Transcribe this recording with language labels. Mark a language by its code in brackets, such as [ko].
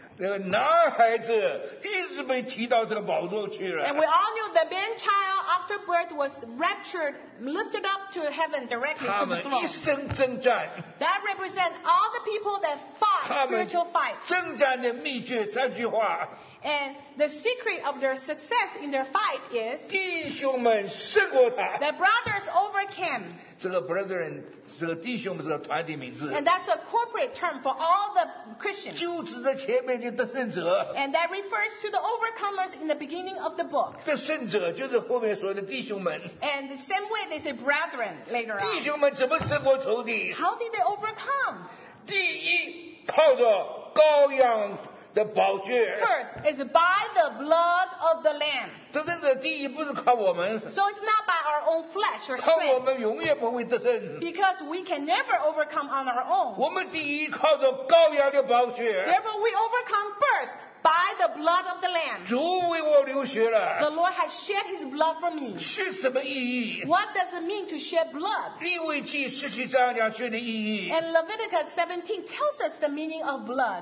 [zh] 那个男孩子一直被提到这个宝座去了。 [en] And we all knew the man child after birth was raptured, lifted up to heaven directly from the throne. [zh] 他们一生征战。 [en] That represents all the people that fought spiritual fight. [zh] 他们征战的秘诀三句话。 [en] And the secret of their success in their fight is. [zh] 弟兄们胜过他。 [en] The brothers overcame. [zh] 这个 brethren 是个弟兄们这个团体名字。 [en] And that's a corporate term for all the Christians. [zh] 就指着前面的得胜者。 [en] And that refers to the overcomers in the beginning of the book. [zh] 得胜者就是后面所说的弟兄们。 [en] And the same way they say brethren later on. [zh] 弟兄们怎么胜过仇敌？ [en] How did they overcome? [zh] 第一，靠着羔羊的宝血。 [en] First is by the blood of the lamb. [zh] 真正的第一不是靠我们。 [en] So it's not by our own flesh or strength. [zh] 靠我们永远不会得胜。 [en] Because we can never overcome on our own. [zh] 我们第一靠着羔羊的宝血。 [en] Therefore we overcome first. By the blood of the Lamb. 主为我流血了。 The Lord has shed His blood for me. 是什么意义？ What does it mean to shed blood? 利未记十七章讲血的意义。 And Leviticus 17 tells us the meaning of blood.